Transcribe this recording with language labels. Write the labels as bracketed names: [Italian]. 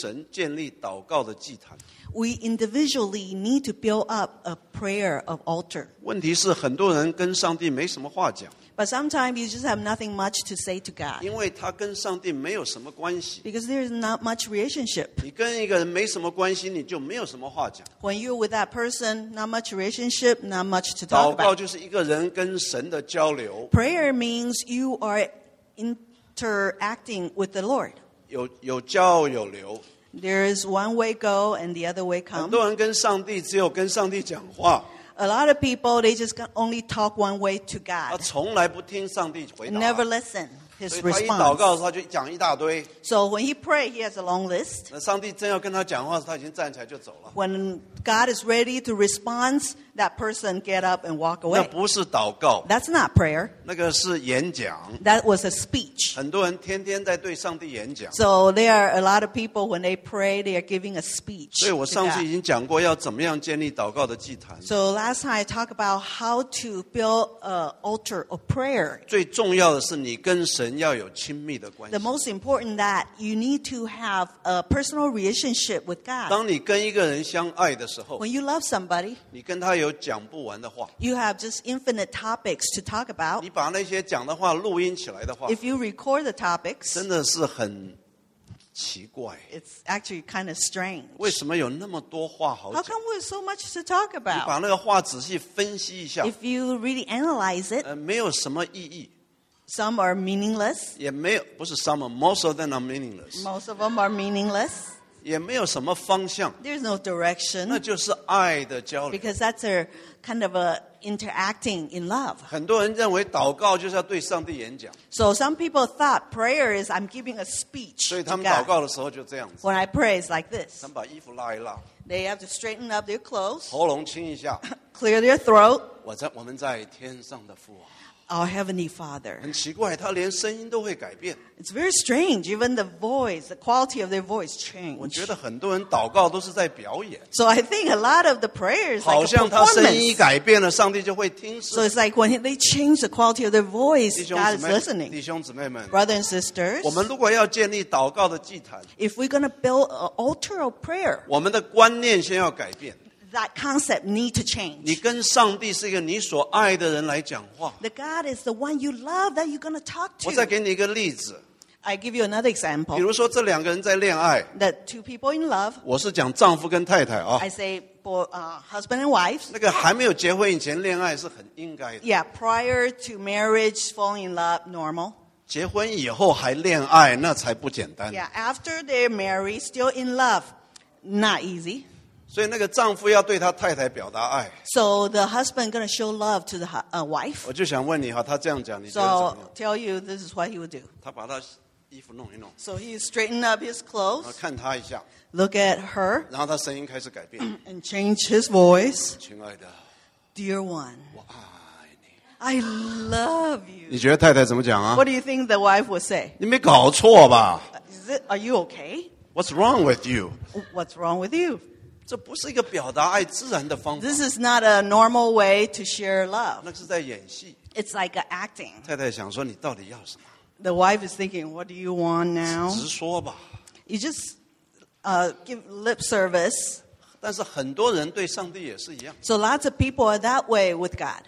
[Chinese] 我们每一个人必须要再跟神建立祷告的祭坛。 [English] We individually need to build up a prayer of altar. [Chinese] 问题是很多人跟上帝没什么话讲。 [English] But sometimes you just have nothing much to say to God. [Chinese] 因为他跟上帝没有什么关系。 [English] Because there is not much relationship. [Chinese] 你跟一个人没什么关系, 你就没有什么话讲。 [English] When you're with that person, not much relationship, not much to talk about. [Chinese] 祷告就是一个人跟神的交流。 [English] Prayer means you are interacting with the Lord. [Chinese] 有交有流。 [English] There is one way go and the other way come. [Chinese] 很多人跟上帝只有跟上帝讲话。 [English] A lot of people, they just only talk one way to God. [Chinese] 他从来不听上帝回答。 [English] Never listen his response. [Chinese] 所以他一祷告的时候他就讲一大堆。 [English] So when he pray, he has a long list. [Chinese] 那上帝真要跟他讲话的时候他已经站起来就走了。 [English] When God is ready to respond, that person get up and walk away. [Chinese] 那不是祷告。 [English] That's not prayer. [Chinese] 那个是演讲。 [English] That was a speech. [Chinese] 很多人天天在对上帝演讲。 [English] So there are a lot of people, when they pray, they are giving a speech. [Chinese] 所以我上次已经讲过要怎么样建立祷告的祭坛。 [English] So last time I talked about how to build an altar of prayer. [Chinese] 最重要的是你跟神要有亲密的关系。 [English] The most important that you need to have a personal relationship with God. [Chinese] 当你跟一个人相爱的时候, [English] when you love somebody, [Chinese] 你跟他有讲不完的话, [English] you have just infinite topics to talk about. [Chinese] 你把那些讲的话录音起来的话, [English] if you record the topics, [Chinese] 真的是很奇怪, [English] it's actually kind of strange. [Chinese] 为什么有那么多话好讲? [English] How come we have so much to talk about? [Chinese] 你把那个话仔细分析一下, [English] if you really analyze it, [Chinese] 没有什么意义。 [English] Some are meaningless. [Chinese] 也没有, 不是 [English] some, most of them are meaningless. Most of them are meaningless. [Chinese] 也没有什么方向, [English] there's no direction. [Chinese] 那就是爱的交流, [English] because that's a kind of a interacting in love. [Chinese] 很多人认为祷告就是要对上帝演讲。 [English] So some people thought prayer is I'm giving a speech. [Chinese] 所以他们祷告的时候就这样子。 [English] When I pray, it's like this. [Chinese] 他们把衣服拉一拉, [English] they have to straighten up their clothes. [Chinese] 喉咙清一下, [English] clear their throat. [Chinese] 我们在天上的父王。 [English] Our Heavenly Father. [Chinese] 很奇怪, 他连声音都会改变。 [English] It's very strange, even the voice, the quality of their voice changed. [Chinese] 我觉得很多人祷告都是在表演。 [English] So I think a lot of the prayers, [Chinese] 好像他声音改变了, 上帝就会听声。 [English] So it's like when they change the quality of their voice, [Chinese] 弟兄姊妹, [English] God is listening. [Chinese] 弟兄姊妹们, [English] brothers and sisters, [Chinese] 我们如果要建立祷告的祭坛, [English] if we're going to build an altar of prayer, [Chinese] 我们的观念先要改变。 [English] That concept need to change. [Chinese] 你跟上帝是一个你所爱的人来讲话。 [English] The God is the one you love that you're going to talk to. [Chinese] 我再给你一个例子。 [English] I give you another example. [Chinese] 比如说这两个人在恋爱。 [English] That two people in love. [Chinese] 我是讲丈夫跟太太啊。 [English] I say husband and wife. [Chinese] 那个还没有结婚以前恋爱是很应该的。 [English] Yeah, prior to marriage, falling in love, normal. [Chinese] 结婚以后还恋爱，那才不简单。 [English] Yeah, after they're married, still in love, not easy. [Chinese] 所以那个丈夫要对他太太表达爱。 [English] So the husband gonna show love to the wife. [Chinese] 我就想问你哈，他这样讲，你觉得怎么样？ [English] So I'll tell you this is what he would do. [Chinese] 他把他衣服弄一弄。 [English] So he straightened up his clothes. [Chinese] 然后看他一下。 [English] Look at her. [Chinese] 然后他声音开始改变。 [English] And change his voice. [Chinese] 亲爱的。 [English] Dear one. [Chinese] 我爱你。 [English] I love you. [Chinese] 你觉得太太怎么讲啊？ [English] What do you think the wife would say? [Chinese] 你没搞错吧？ [English] Are you okay? What's wrong with you? What's wrong with you? [Chinese] 这不是一个表达爱自然的方法。 [English] This is not a normal way to share love. [Chinese] 那是在演戏。 [English] It's like acting. [Chinese] 太太想说你到底要什么？ [English] The wife is thinking, what do you want now? [Chinese] 直说吧。 [English] You just give lip service. [Chinese] 但是很多人对上帝也是一样。 [English] So lots of people are that way with God.